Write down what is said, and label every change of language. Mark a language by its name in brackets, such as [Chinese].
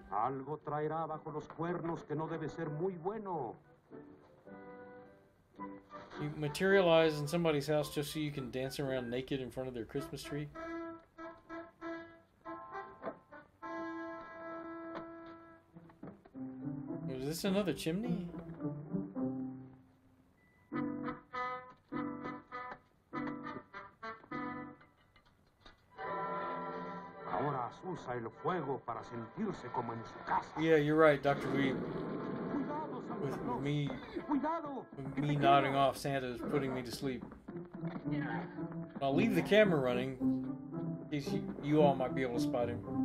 [Spanish] Algo traerá bajo los cuernos que no debe ser muy bueno. [English] You materialize in somebody's house just so you can dance around naked in front of their Christmas tree? Is this another chimney? [Spanish] Usa el fuego para sentirse como en su casa. [English] Yeah, you're right, Dr. Weeb. [Spanish] Cuidado, Santa. [English] With me, [Spanish] cuidado. [English] With me nodding off, Santa is putting me to sleep. Yeah. I'll leave the camera running. In case you all might be able to spot him.